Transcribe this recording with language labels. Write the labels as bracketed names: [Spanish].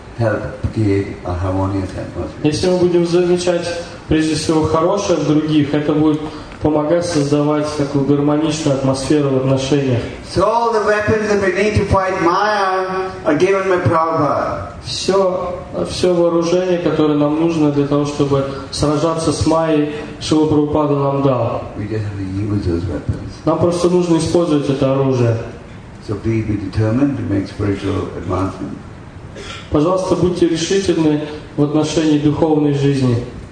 [English] Help create a harmonious atmosphere. [Russian] Если мы будем замечать прежде всего хорошее в других, это будет помогать создавать такую гармоничную атмосферу в отношениях. [English] So all the weapons that we need to fight Maya are given by Prabhupada. [Russian] Все вооружение, которое нам нужно для того, чтобы сражаться с Майей, Шрила Прабхупада нам дал. [English] We just have to use those weapons. [Russian] Нам просто нужно использовать это оружие. [English] So be determined to make spiritual advancement. [Russian] Пожалуйста, будьте решительны в отношении духовной жизни.